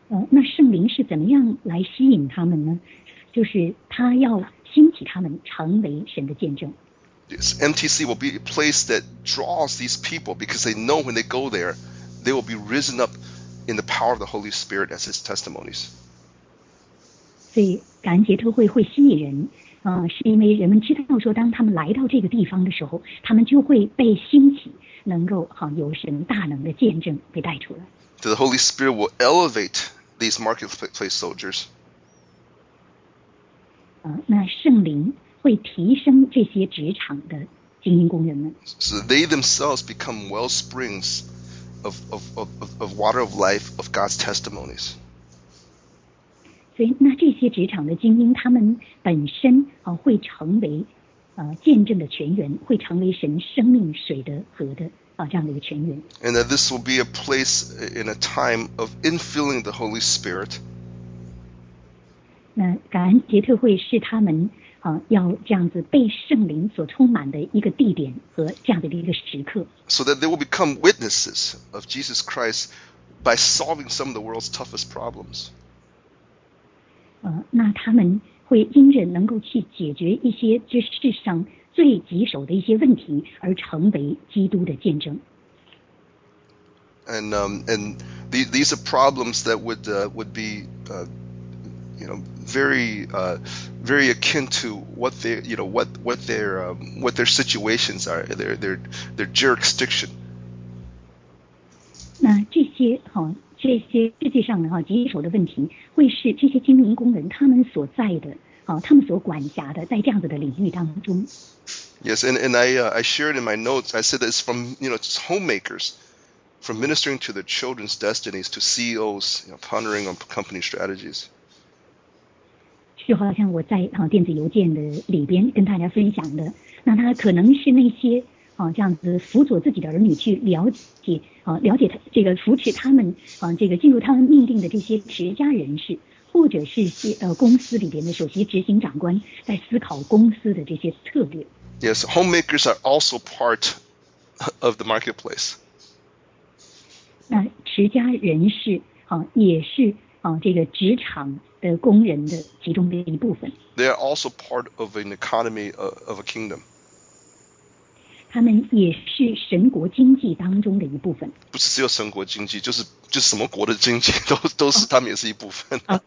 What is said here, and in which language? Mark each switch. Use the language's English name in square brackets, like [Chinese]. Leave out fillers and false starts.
[Chinese] 那圣灵是怎么样来吸引他们呢？就是他要兴起他们成为神的见证。 [English] Yes, MTC will be a place that draws these people because they know when they go there, they will be risen up in the power of the Holy Spirit as His testimonies. [Chinese] 所以感恩节特会会吸引人，是因为人们知道说，当他们来到这个地方的时候，他们就会被兴起，能够有神大能的见证被带出来。 [English] So the Holy Spirit will elevate these marketplace soldiers. [Chinese] 那圣灵会提升这些职场的精英工人们。 [English] So they themselves become well springs of water of life of God's testimonies. [Chinese] 所以那这些职场的精英，他们本身会成为见证的泉源，会成为神生命水的河的这样的一个泉源。 [English] And that this will be a place in a time of infilling the Holy Spirit. [Chinese] 那感恩节特会是他们要这样子被圣灵所充满的一个地点和这样的一个时刻。 [English] So that they will become witnesses of Jesus Christ by solving some of the world's toughest problems. [Chinese] 那他们会因着能够去解决一些这世上最棘手的一些问题而成为基督的见证。 [English] And these are problems that would be very akin to what their situations are, their jurisdiction. [Chinese] 那这些这些世界上棘手的问题，会是这些精英工人他们所在的他们所管辖的，在这样子的领域当中。 [English] Yes, and I shared in my notes. I said that it's from homemakers from ministering to the children's destinies to CEOs, you know, pondering on company strategies. [Chinese] 就好像我在电子邮件的里边跟大家分享的，那他可能是那些这样子辅佐自己的儿女去了解了解这个扶持他们这个进入他们命定的这些持家人士，或者是公司里边的首席执行长官在思考公司的这些策略。 [English] Yes, homemakers are also part of the marketplace. [Chinese] 那持家人士也是这个职场的工人的其中的一部分。 [English] They are also part of an economy of a kingdom. [Chinese] 他们也是神国经济当中的一部分。不是只有神国经济，就是什么国的经济都是他们也是一部分。